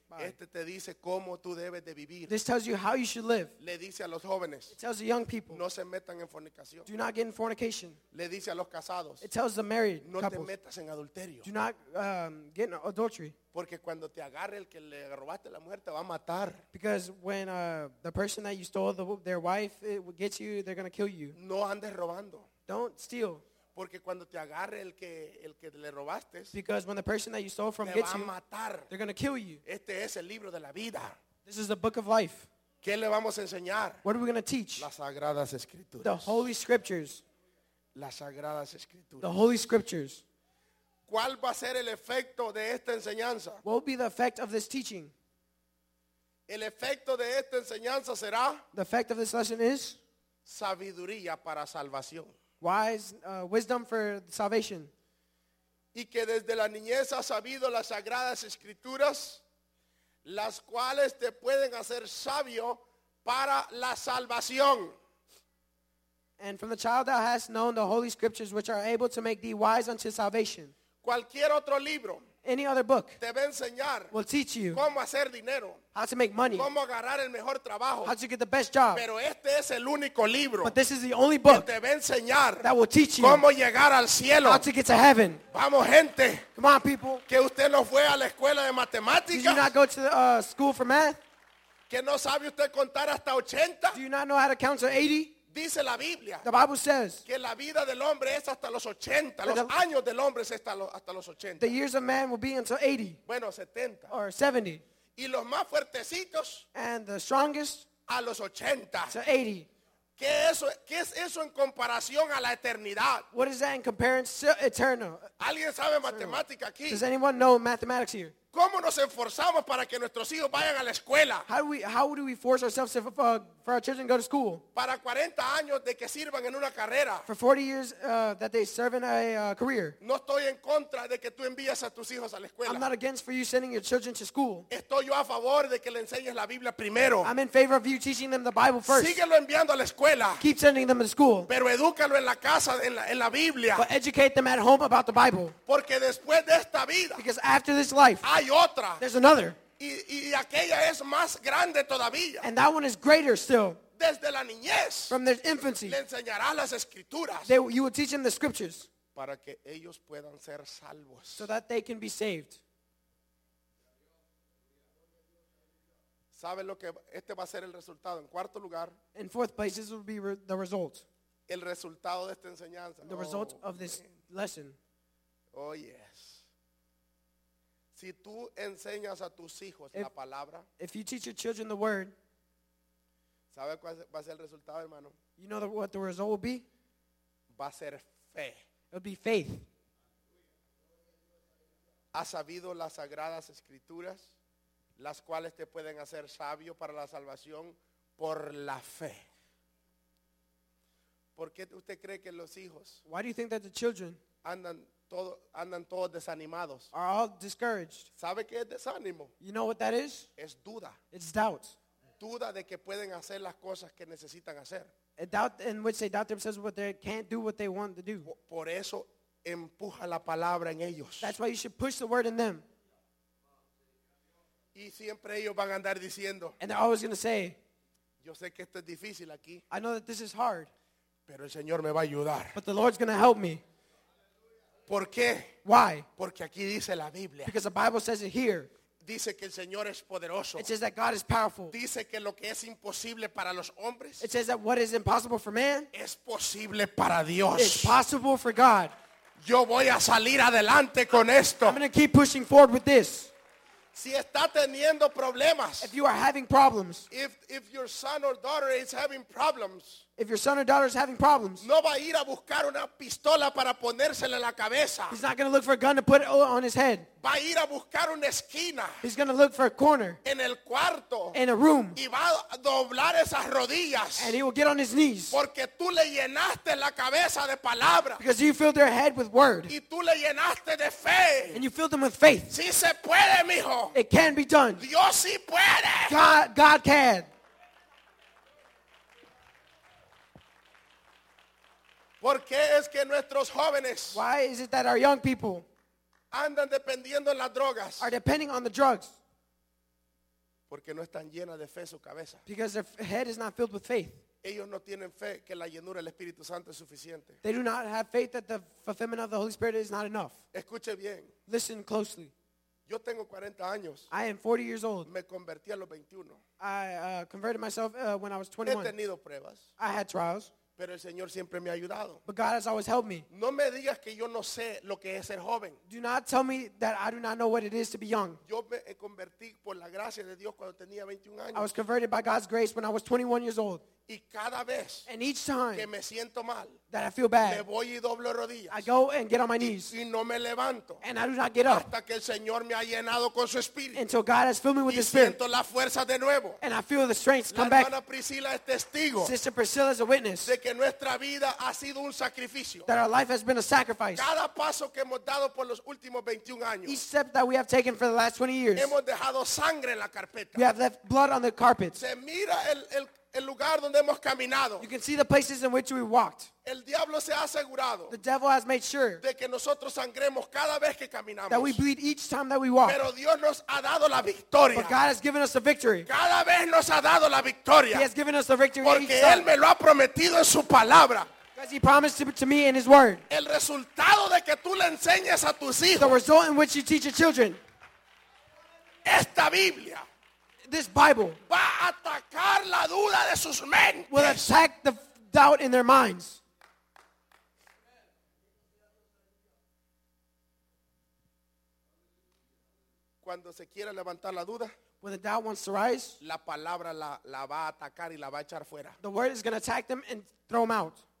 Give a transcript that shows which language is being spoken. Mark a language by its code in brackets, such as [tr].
[es] Este te dice cómo tú debes de vivir. [en] This tells you how you should live. [es] Le dice a los jóvenes. [en] It tells the young people. [es] No se metan en fornicación. [en] Do not get in fornication. [es] Le dice a los casados. [en] It tells the married no couples. [es] No te metas en adulterio. [en] Do not get in adultery. [es] Porque cuando te agarre el que le robaste la mujer te va a matar. [en] Because when the person that you stole their wife gets you, they're going to kill you. [es] No andes robando. [en] Don't steal. [es] Porque cuando te agarre el que le robaste, [en] because when the person that you stole from gets you, they're going to kill you. [es] Este es el libro de la vida. [en] This is the book of life. [es] ¿Qué le vamos a enseñar? [en] What are we going to teach? [es] Las sagradas escrituras. [en] The Holy Scriptures. [es] Las sagradas escrituras. [en] The Holy Scriptures. [es] ¿Cuál va a ser el efecto de esta enseñanza? [en] What will be the effect of this teaching? [es] El efecto de esta enseñanza será, [en] the effect of this lesson is, [es] sabiduría para salvación. [en] Wise, wisdom for salvation. [es] Y que desde la niñez has sabido las sagradas escrituras, las cuales te pueden hacer sabio para la salvación. [en] And from the child thou hast known the holy scriptures, which are able to make thee wise unto salvation. [es] Cualquier otro libro, [en] any other book, [es] te va a enseñar, [en] will teach you [es] cómo hacer dinero, [en] how to make money, [es] cómo agarrar el mejor trabajo, [en] how to get the best job. [es] Pero este es el único libro, [en] but this is the only book, [es] que te va a enseñar, [en] that will teach you [es] cómo llegar al cielo, [en] how to get to heaven. [es] Vamos, gente, [en] come on, people. [es] Que usted no fue a la escuela de matemáticas. [en] Did you not go to the, school for math? [es] Que no sabe usted contar hasta 80? [en] Do you not know how to count to 80? [es] Dice la Biblia, [en] the Bible says, [es] que la vida del hombre es hasta los 80, los años del hombre es hasta los 80. [en] The years of man will be until 80. [es] Bueno, 70. [en] Or 70. [es] Y los más fuertecitos, [en] and the strongest, [es] a los 80. [en] To 80. [es] ¿Qué es eso en comparación a la eternidad? [en] What is that in comparison to eternal? [es] ¿Alguien sabe matemática aquí? [en] Does anyone know mathematics here? [es] ¿Cómo nos esforzamos para que nuestros hijos vayan a la escuela? [en] How do we force ourselves to, for our children to go to school? [es] Para 40 años de que sirvan en una carrera. [en] For 40 years that they serve in a career. [es] No estoy en contra de que tú envíes a tus hijos a la escuela. [en] I'm not against for you sending your children to school. [es] Estoy yo a favor de que le enseñes la Biblia primero. [en] I'm in favor of you teaching them the Bible first. [es] Síguelo enviando a la escuela. [en] Keep sending them to school. [es] Pero edúcalo en la casa, en la Biblia. [en] But educate them at home about the Bible. [es] Porque después de esta vida, [en] because after this life, [es] hay otra. [en] There's another. [es] Y aquella es más grande todavía. [en] And that one is greater still. [es] Desde la niñez, [en] from their infancy, [es] le enseñará las escrituras. [en] They, you will teach them the scriptures. [es] Para que ellos puedan ser salvos. [en] So that they can be saved. [es] ¿Sabe lo que este va a ser el resultado? En cuarto lugar. [en] In fourth place, this will be the result. [es] El resultado de esta enseñanza. [en] The result of this lesson. Oh, yeah. [es] Si tú enseñas a tus hijos la palabra, [en] if you teach your children the word, [es] ¿sabe cuál va a ser el resultado, hermano? [en] You know what the result will be? [es] Va a ser fe. [en] It'll be faith. [es] ¿Has sabido las sagradas escrituras, las cuales te pueden hacer sabio para la salvación por la fe? ¿Por qué usted cree que los hijos, [en] why do you think that the children, [es] andan todos desanimados, [en] are all discouraged? [es] ¿Sabe qué es desánimo? [en] You know what that is? [es] Es duda. [en] It's doubt. [es] Duda de que pueden hacer las cosas que necesitan hacer. [en] A doubt in which they doubt themselves, what they can't do, what they want to do. [es] Por eso empuja la palabra en ellos. [en] That's why you should push the word in them. [es] Y siempre ellos van a andar diciendo, [en] and they're always going to say, [es] yo sé que esto es difícil aquí, [en] I know that this is hard, [es] pero el Señor me va a ayudar. [en] But the Lord's going to help me. [es] ¿Por qué? [en] Why? [es] Porque aquí dice la Biblia. [en] Because the Bible says it here. [es] Dice que el Señor es poderoso. [en] It says that God is powerful. [es] Dice que lo que es imposible para los hombres, [en] it says that what is impossible for man, [es] es posible para Dios. [en] It's possible for God. [es] Yo voy a salir adelante con esto. [en] I'm going to keep pushing forward with this. [es] Si está teniendo problemas, [en] if you are having problems, if your son or daughter is having problems, if your son or daughter is having problems, [es] no va a ir a buscar una pistola para ponérsela en la cabeza. [en] He's not going to look for a gun to put it on his head. [es] Va a ir a buscar una esquina. [en] He's going to look for a corner. [es] En el cuarto. [en] In a room. [es] Y va a doblar esas rodillas. [en] And he will get on his knees. [es] Porque tú le llenaste la cabeza de palabra. [en] Because you filled their head with word. [es] Y tú le llenaste de fe. [en] And you filled them with faith. [es] Sí se puede, mijo. [en] It can be done. [es] Dios sí puede. [en] God can. [es] ¿Por qué es que nuestros jóvenes, [en] why is it that our young people, [es] andan dependiendo en las drogas, [en] are depending on the drugs? [es] Porque no están llenas de fe su cabeza. [en] Because their head is not filled with faith. [es] Ellos no tienen fe que la llenura del Espíritu Santo es suficiente. [en] They do not have faith that the fulfillment of the Holy Spirit is not enough. [es] Escuche bien. [en] Listen closely. [es] Yo tengo 40 años. [en] I am 40 years old. [es] Me convertí a los 21. [en] I converted myself when I was 21. [es] He tenido pruebas. [en] I had trials. [es] Pero el Señor siempre me ha ayudado. [en] But God has always helped me. [es] No me digas que yo no sé lo que es ser joven. [en] Do not tell me that I do not know what it is to be young. [es] Yo me convertí por la gracia de Dios cuando tenía 21 años. [en] I was converted by God's grace when I was 21 years old. [es] Y cada vez [en] and each time [es] que me siento mal, [en] that I feel bad, [es] me voy y doblo rodillas, [en] I go and get on my knees [es] y no me levanto, [en] and I do not get up [es] hasta que el Señor me ha llenado con su espíritu, [en] until God has filled me with [es] y [en] his spirit [es] la fuerza de nuevo, [en] and I feel the strength [es] la [en] come back. [es] Priscila es testigo, [en] Sister Priscilla is a witness [es] de que nuestra vida ha sido un sacrificio, [en] that our life has been a sacrifice. [es] Cada paso que hemos dado por los últimos 21 años, [en] each step that we have taken for the last 20 years, [es] hemos dejado sangre en la carpeta, [en] we have left blood on the carpet. [es] Se mira el lugar donde hemos caminado. [en] You can see the places in which we walked. [es] El diablo se ha asegurado. [en] The devil has made sure [es] de que nosotros sangremos cada vez que caminamos. [en] That we bleed each time that we walk. [es] Pero Dios nos ha dado la victoria. [en] But God has given us the victory. [es] Cada vez nos ha dado la victoria. [en] He has given us the victory. [es] Porque Él me lo ha prometido en su palabra. [en] He promised it to me in his word. [es] El resultado de que tú le enseñes a tus hijos. [en] The result in which you teach your children. [es] Esta Biblia. [en] This Bible [es] va a atacar la duda de sus mentes. [en] Will attack the doubt in their minds. [es] Cuando se quiera levantar la duda, [en] when the doubt wants to rise, [es] la palabra la va a atacar y la va a echar fuera. [en] The word is going to attack them and throw them out.